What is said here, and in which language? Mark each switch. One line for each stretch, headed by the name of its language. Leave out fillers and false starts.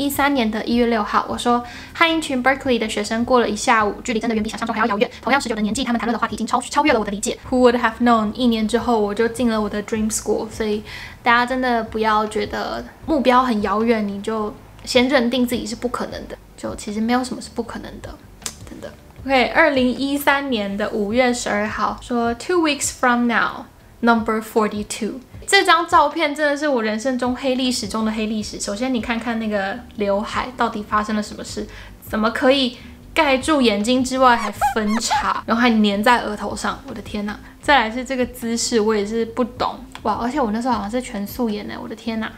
Chinese: 2013年的1月6号，我说和一群 Berkeley 的学生过了一下午，距离真的远比想象中还要遥远。同样19的年纪，他们谈论的话题已经超越了我的理解。
English: Who would have known？
Chinese: 一年之后我就进了我的 dream school，所以大家真的不要觉得目标很遥远，你就先认定自己是不可能的，就其实没有什么是不可能的，真的。 OK， 2013年的5月12号，说 2 weeks from now， number 42。这张照片真的是我人生中黑历史中的黑历史。首先你看看那个刘海到底发生了什么事，怎么可以盖住眼睛之外还分叉，然后还粘在额头上，我的天哪。再来是这个姿势，我也是不懂哇，而且我那时候好像是全素颜耶，我的天哪。